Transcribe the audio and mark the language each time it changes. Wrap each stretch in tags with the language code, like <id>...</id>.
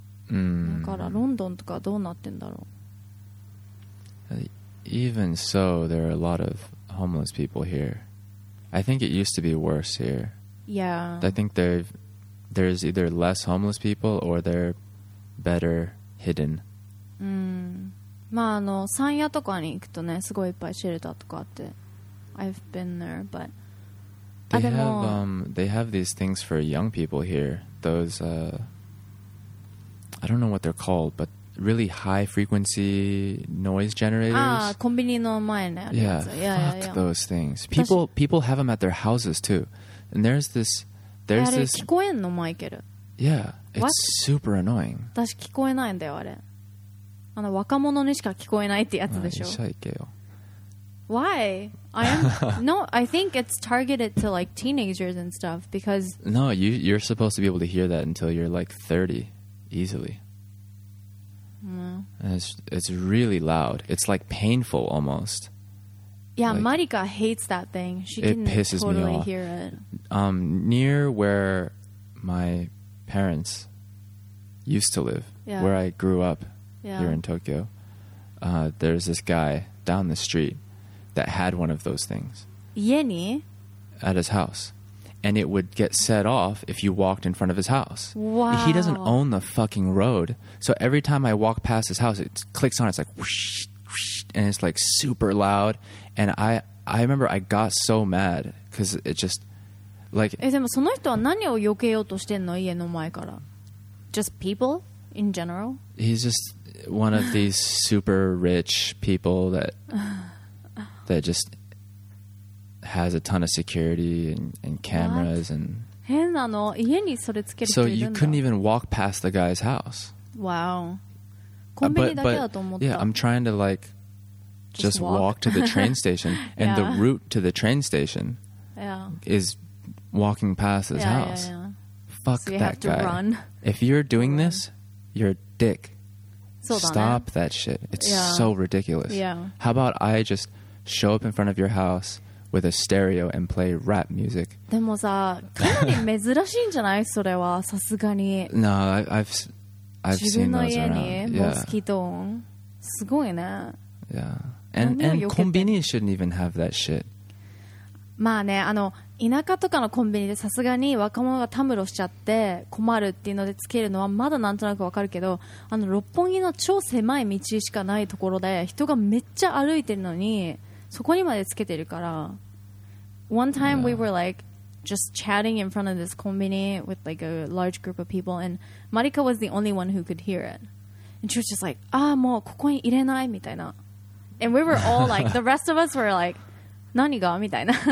<ja>だからロンドンとかどうなってんだろう。</ja> <en>Even so, there are a lot of homeless people here. I think it used to be worse here. Yeah. I think there's either less homeless people or they're better hidden.</en> <ja>まああの山谷とかに行くとね、すごいいっぱいシェルターとかあって。</ja> <en>I've been there, but they have these things for young people here. Those I don't know what they're called, but really high frequency noise generators.</en> <ja>Ah, konbini no mae ne.</ja> <en>Yeah, fuck those things. People have them at their houses too. And there's this.</en> <ja>聞こえんのマイケル?</ja> <en>Yeah, it's what? Super annoying.</en> <ja>私聞こえないんだよあれ。あの若者にしか聞こえないってやつでしょ。しゃいけよ。</ja> <en>Why? I think it's targeted to like teenagers and stuff because. No, you're supposed to be able to hear that until you're like 30. Easily. Yeah. It's really loud. It's like painful almost. Yeah, like, Marika hates that thing. She can totally hear it. Near where my parents used to live, yeah. Where I grew up here in Tokyo, there's this guy down the street that had one of those things.</en> <ja>家に?</ja> <en>At his house. And it would get set off if you walked in front of his house. Wow. He doesn't own the fucking road. So every time I walk past his house, it clicks on. It's like, whoosh, whoosh, and it's like super loud. And I remember I got so mad because it just like...</en> <ja>でもその人は何を避けようとしてんの? 家の前から。</ja> <en>Just people in general? He's just one of these super rich people that, that just... has a ton of security and cameras and</en> <ja>変なの? 家にそれつける人いる</ja> <en>んだ? So you couldn't even walk past the guy's house. Wow.</en> <ja>コンビニだけだと思った。</ja> <en>But, yeah, I'm trying to like just walk to the train station and the route to the train station is walking past his house. Yeah. Fuck so that guy. You have to run. If you're doing this, you're a dick.</en> <ja>そうだね。</ja> <en>Stop that shit. It's so ridiculous. Yeah. How about I just show up in front of your house with a stereo and play rap music.</en> <ja>でもさ、かなり珍しいんじゃない? それはさすがに。</ja> <en>No, I've seen those around.</en> <ja>自分の家にモスキート音。すごいね。</ja> <en>Yeah. And コンビニ shouldn't even have that shit.</en> <ja>まあね、あの、田舎とかのコンビニでさすがに若者がたむろしちゃって困るっていうのでつけるのはまだなんとなくわかるけど、あの、六本木の超狭い道しかないところで人がめっちゃ歩いてるのに、そこにまでつけてるから。</ja> <en>One time we were like just chatting in front of this konbini with like a large group of people and Marika was the only one who could hear it. And she was just like, ah,</en> <ja>もうここに入れないみたいな。</ja> <en>And we were all like, the rest of us were like,</en> <ja>何がみたいな。</ja>